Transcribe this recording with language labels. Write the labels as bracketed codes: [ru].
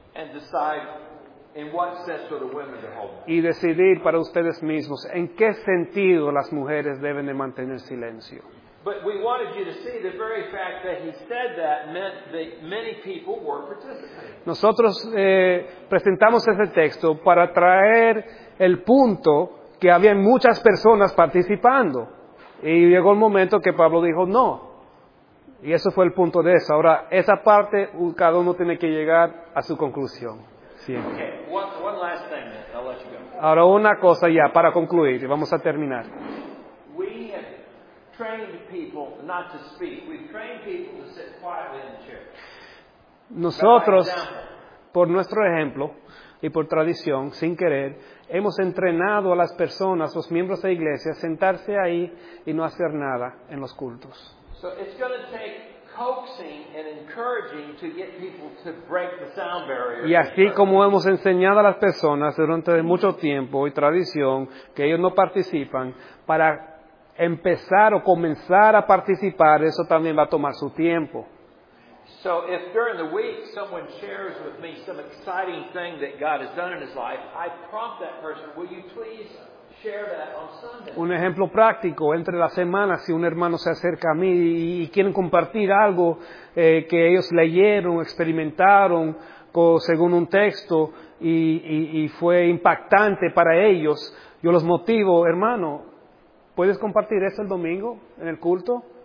[en] And decide in what sense are the women to hold. [es] Y decidir para ustedes mismos en qué sentido las mujeres deben de mantener silencio. [en] But we wanted you to see the very fact that he said that meant that many people were participating. [es] Nosotros presentamos ese texto para traer el punto que había muchas personas participando. Y llegó el momento que Pablo dijo no. Y eso fue el punto de eso. Ahora, esa parte, cada uno tiene que llegar a su conclusión. Siempre. [en] Okay. One last thing, I'll let you go. [es] Ahora, una cosa ya, para concluir, y vamos a terminar. [en] We have trained people not to speak. We've trained people to sit quietly in the chair. [es] Nosotros, por nuestro ejemplo y por tradición, sin querer, hemos entrenado a las personas, los miembros de la iglesia, a sentarse ahí y no hacer nada en los cultos. [en] So it's going to take coaxing and encouraging to get people to break the sound barrier. [es] Y así como hemos enseñado a las personas durante mucho tiempo y tradición que ellos no participan, para empezar o comenzar a participar, eso también va a tomar su tiempo. [en] So if during the week someone shares with me some exciting thing that God has done in his life, I prompt that person, will you please share that on Sunday? [es] Un ejemplo práctico, entre la semana, si un hermano se acerca a mí y quieren compartir algo que ellos leyeron, experimentaron según un texto y fue impactante para ellos, yo los motivo, hermano, ¿puedes compartir eso el domingo en el culto?